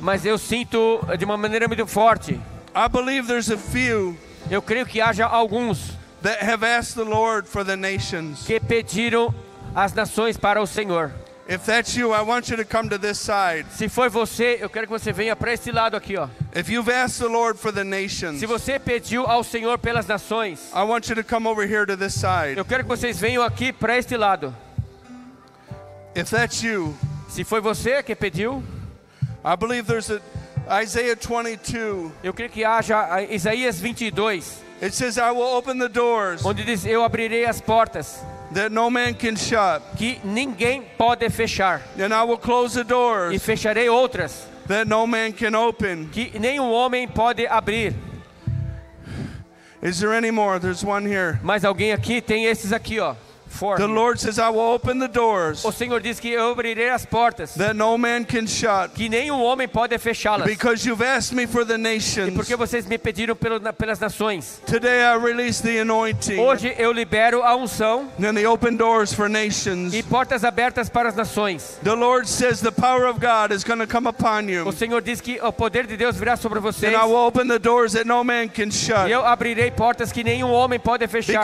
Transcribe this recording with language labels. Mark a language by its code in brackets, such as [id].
[pt] Mas eu sinto de uma maneira muito forte. [en] I believe there's a few. [pt] Eu creio que haja alguns. [en] That have asked the Lord for the nations. [pt] Que pediram as nações para o Senhor. [en] If that's you, I want you to come to this side. [pt] Se foi você, eu quero que você venha para este lado aqui, ó. [en] If you've asked the Lord for the nations, [pt] se você pediu ao Senhor pelas nações, [en] I want you to come over here to this side. [pt] Eu quero que vocês venham aqui para este lado. [en] If that's you, [pt] se foi você que pediu, [en] I believe there's a Isaiah 22. [pt] Eu creio que haja Isaías 22. [en] It says, "I will open the doors." [pt] Onde diz, eu abrirei as portas. [en] That no man can shut. [pt] Que ninguém pode fechar. [en] And I will close the doors. [pt] E fecharei outras. [en] That no man can open. [pt] Que nenhum homem pode abrir. [en] Is there any more? There's one here. [pt] Mais alguém aqui? Tem esses aqui, ó. [en] Four. The Lord says, "I will open the doors." [pt] O Senhor diz que eu abrirei as portas. [en] That no man can shut. [pt] Que nenhum homem pode fechá-las. [en] Because you've asked me for the nations. [pt] E porque vocês me pediram pelas nações. [en] Today I release the anointing. [pt] Hoje eu libero a unção. [en] And the open doors for nations. [pt] E portas abertas para as nações. [en] The Lord says, "The power of God is going to come upon you." [pt] O Senhor diz que o poder de Deus virá sobre vocês. [en] And I will open the doors that no man can shut. [pt] E eu abrirei portas que nenhum homem pode fechar.